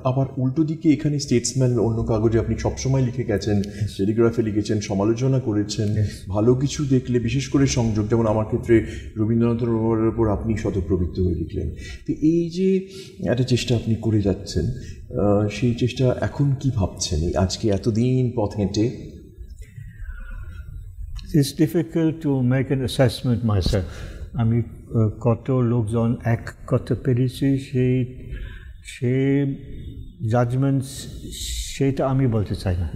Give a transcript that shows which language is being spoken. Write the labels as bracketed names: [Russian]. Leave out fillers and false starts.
[Bangla] আবার উল্টো দিকে এখানে স্টেটসম্যান অন্য কাগজে আপনি সবসময় লিখে গেছেন, টেলিগ্রাফে লিখেছেন, সমালোচনা করেছেন, ভালো কিছু দেখলে, বিশেষ করে সংযোগ, যেমন আমার ক্ষেত্রে রবীন্দ্রনাথের উপর আপনি শতপ্রবৃত্ত হয়ে লিখলেন, তো এই যে একটা চেষ্টা আপনি করে যাচ্ছেন, সেই চেষ্টা এখন কী ভাবছেন এই আজকে এতদিন পথ হেঁটে? [English] It's difficult to make an assessment myself. [Bangla] আমি কত লোকজন এক করতে পেরেছি সেই সেই জাজমেন্ট সেটা আমি বলতে চাই না,